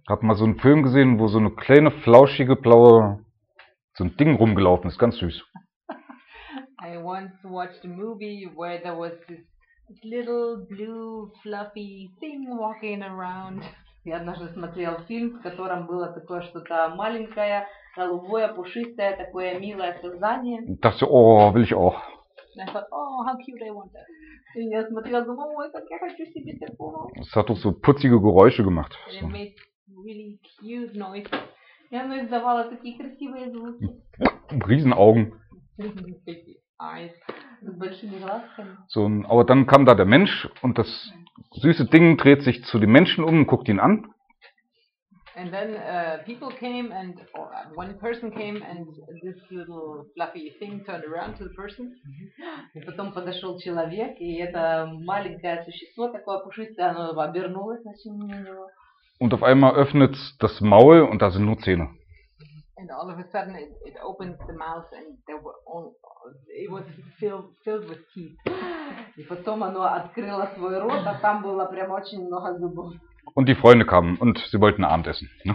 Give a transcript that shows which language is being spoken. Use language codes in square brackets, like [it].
[de] Hab mal so einen Film gesehen, wo so eine kleine, flauschige, blaue, so ein Ding rumgelaufen ist, ganz süß. [en] I once watched a movie where there was this little blue fluffy thing walking around. [ru] Я однажды смотрел фильм, в котором было такое что-то маленькое, голубое, пушистое, такое милое создание. [de] Dachte, о, will ich auch. [en] And I thought, oh, how cute I want that. [ru] Я смотрел, думал, ой, как я хочу себе такого. [de] Es hat doch so putzige Geräusche gemacht. So. [en] And it made really cute noise. [ru] И оно издавало такие красивые звуки. [de] Riesenaugen. [en] Eyes. [de] Mit [ru] большими глазками. [de] So, aber dann kam da der Mensch und das süße Ding dreht sich zu dem Menschen um und guckt ihn an. [en] And then people came and one person came and this little fluffy thing turned around to the person. [ru] И потом подошел человек, и это маленькое существо, такое пушистое, оно обернулось на него. [de] Und auf einmal öffnet das Maul und da sind nur Zähne. [en] And all of a sudden it opens the mouth and there were all it was filled with teeth. [ru] И потом оно открыло свой рот, а там было прям очень много зубов. [de] Und die Freunde kamen und sie wollten Abendessen.